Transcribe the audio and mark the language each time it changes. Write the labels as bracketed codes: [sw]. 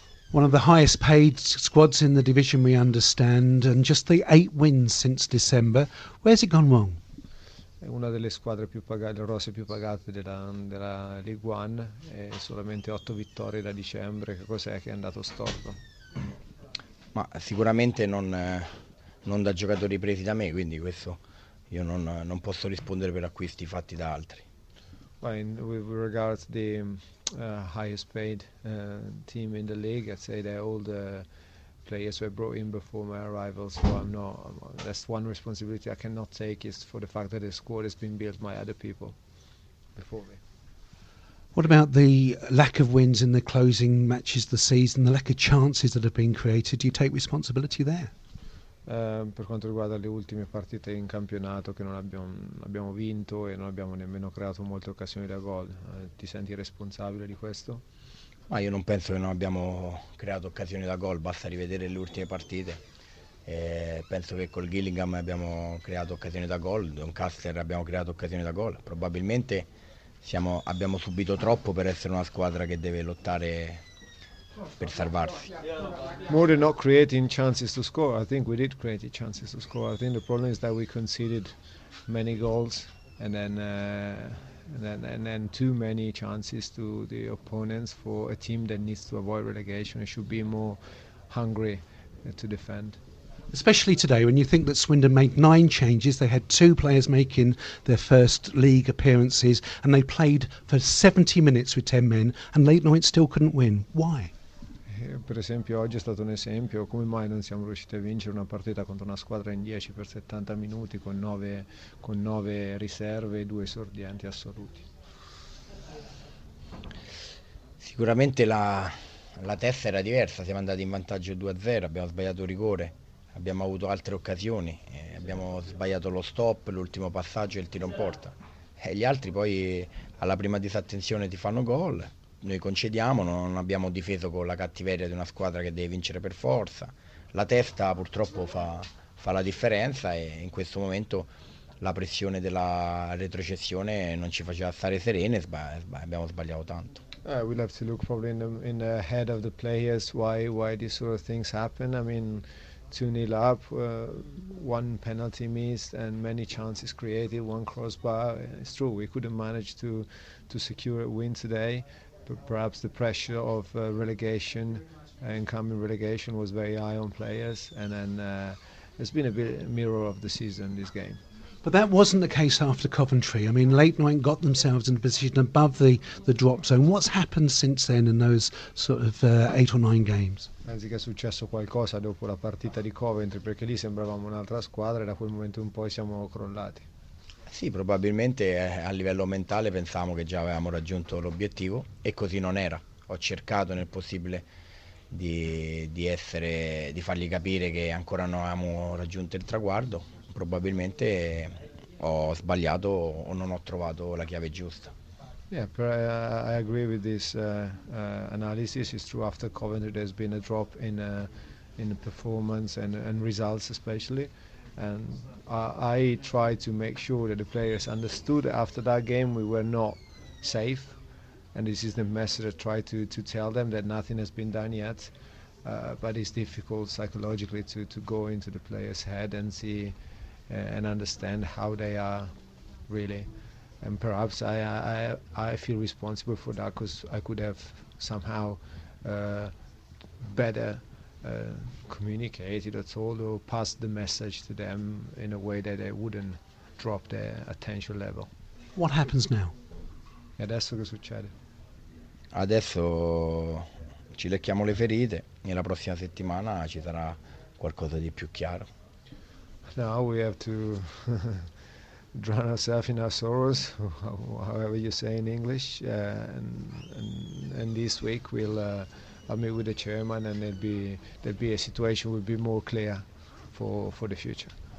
[en] One of the highest paid squads in the division, we understand, and just the 8 wins since December. Where's it gone wrong? [it] È una delle squadre più pagate, le rose più pagate della League One, e solamente 8 vittorie da dicembre. Che cos'è che è andato storto? Ma sicuramente non da giocatori presi da me, quindi questo io non posso rispondere per acquisti fatti da altri. [en] With regards the highest paid team in the league, I'd say that all the players were brought in before my arrival, so that's one responsibility I cannot take, is for the fact that the squad has been built by other people before me. What about the lack of wins in the closing matches of the season, the lack of chances that have been created? Do you take responsibility there? [it] Per quanto riguarda le ultime partite in campionato, che non abbiamo vinto e non abbiamo nemmeno creato molte occasioni da gol, ti senti responsabile di questo? Ma io non penso che non abbiamo creato occasioni da gol, basta rivedere le ultime partite. Penso che col Gillingham abbiamo creato occasioni da gol, Doncaster abbiamo creato occasioni da gol. Probabilmente abbiamo subito troppo per essere una squadra che deve lottare per salvarsi. [en] More than not creating chances to score, I think we did create chances to score. I think the problem is that we conceded many goals and then too many chances to the opponents for a team that needs to avoid relegation and should be more hungry to defend. Especially today, when you think that Swindon made 9 changes, they had 2 players making their first league appearances and they played for 70 minutes with 10 men and Leighton Orient still couldn't win. Why? [it] Per esempio oggi è stato un esempio, come mai non siamo riusciti a vincere una partita contro una squadra in 10 per 70 minuti con 9 riserve e 2 esordienti assoluti? Sicuramente la testa era diversa, siamo andati in vantaggio 2-0, abbiamo sbagliato il rigore, abbiamo avuto altre occasioni, abbiamo sbagliato lo stop, l'ultimo passaggio e il tiro in porta. E gli altri poi alla prima disattenzione ti fanno gol. Noi concediamo, non abbiamo difeso con la cattiveria di una squadra che deve vincere per forza. La testa purtroppo fa la differenza e in questo momento la pressione della retrocessione non ci faceva stare serene, abbiamo sbagliato tanto. [en] We'll have to look probably in the head of the players why these sort of things happen. I mean, 2-0 up, 1 penalty missed and many chances created, 1 crossbar. It's true, we couldn't manage to secure a win today. Perhaps the pressure of relegation and coming relegation was very high on players, and then it's been a bit mirror of the season, this game. But that wasn't the case after Coventry. I mean, Leighton Orient got themselves in a position above the drop zone. What's happened since then in those sort of 8 or 9 games? [it] Penso che è successo qualcosa dopo la partita di Coventry, perché lì sembravamo un'altra squadra e da quel momento in poi siamo crollati. Sì, probabilmente a livello mentale pensavamo che già avevamo raggiunto l'obiettivo e così non era. Ho cercato nel possibile di fargli capire che ancora non avevamo raggiunto il traguardo. Probabilmente ho sbagliato o non ho trovato la chiave giusta. [en] I agree with this analysis. It's true, after Coventry there's been a drop in performance and results especially. And I tried to make sure that the players understood that after that game we were not safe. And this is the message I tried to tell them, that nothing has been done yet. But it's difficult psychologically to go into the player's head and see and understand how they are really. And perhaps I feel responsible for that, because I could have somehow better communicated or told or passed the message to them in a way that they wouldn't drop their attention level. What happens now? [it] Adesso che succede? Adesso ci lecchiamo le ferite e la prossima settimana ci sarà qualcosa di più chiaro. [en] Now we have to drown ourselves in our sorrows, however you say in English, and this week we'll meet with the chairman, and there'll be a situation will be more clear for the future.